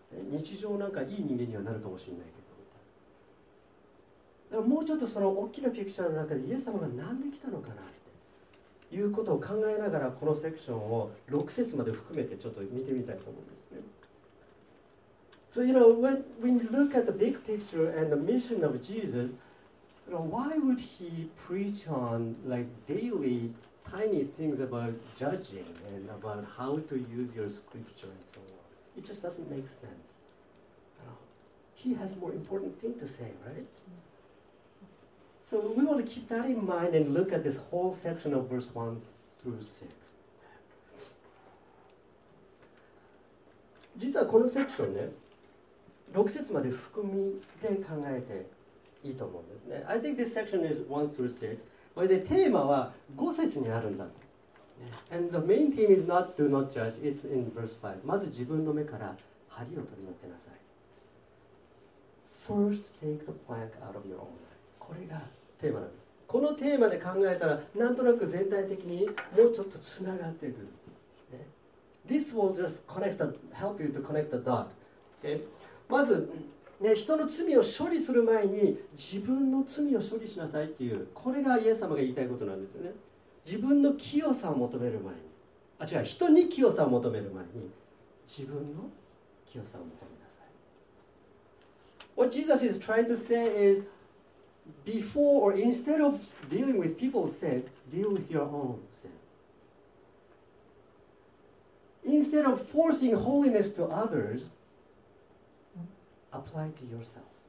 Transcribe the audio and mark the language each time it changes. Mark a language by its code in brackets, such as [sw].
[ja] 日常なんかいい人間にはなるかもしれないけど。だからもうちょっとその大きなピクチャーの中でイエス様が何で来たのかなっていうことを考えながらこのセクションを6節まで含めてちょっと見てみたいと思うんですね。 [en] So you know, when you look at the big picture and the mission of Jesus, you know, why would he preach on like daily tiny things about judging and about how to use your scripture and so on? It just doesn't make sense. He has more important thing to say, right? So we want to keep that in mind and look at this whole section of verse 1 through 6. [ja] 実はこのセクションね、6節まで含みで考えていいと思うんですね。 [en] I think this section is 1 through 6. [ja] これでテーマは5節にあるんだ。 [en] And the main theme is not do not judge, it's in verse 5. [ja] まず自分の目から針を取り除きなさい。 [en] First take the plank out of your own eye. [ja] これがテーマなんです。このテーマで考えたら、なんとなく全体的にもうちょっとつながっていく。 [en] ね、This will just connect, help you to connect the dot.、Okay? [ja] まず、ね、人の罪を処理する前に自分の罪を処理しなさいっていう、これがイエス様が言いたいことなんですよね。自分の清さを求める前に、あ、違う、人に清さを求める前に自分の清さを求めなさい。 [en] What Jesus is trying to say isBefore or instead of dealing with people's sin, deal with your own sin. Instead of forcing holiness to others, apply to yourself.